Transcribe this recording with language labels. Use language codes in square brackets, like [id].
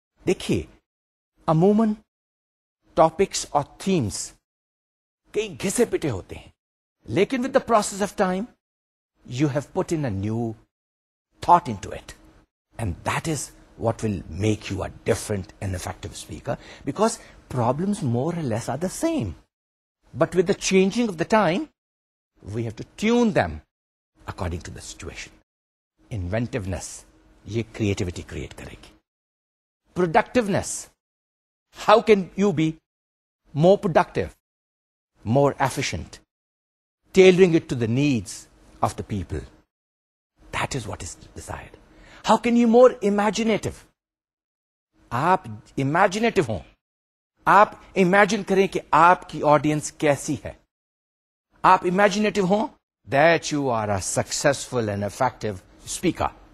[ur] دیکھیے عموماً ٹاپکس اور تھیمس کئی گھسے پٹے ہوتے ہیں, [en] لیکن with the process of time you have put in new thought into it, and that is what will make you a different and effective speaker, because problems more or less are the same, but with the changing of the time we have to tune them according to the situation. [ur] انوینٹونیس یہ creativity create کرے گی. [en] Productiveness, how can you be more productive, more efficient, tailoring it to the needs of the people, that is what is desired. How can you more imaginative, [ur] آپ imaginative ہوں, آپ imagine کریں کہ آپ کی آڈینس کیسی ہے, آپ امیجنیٹو ہوں [en] That you are a successful and effective speaker.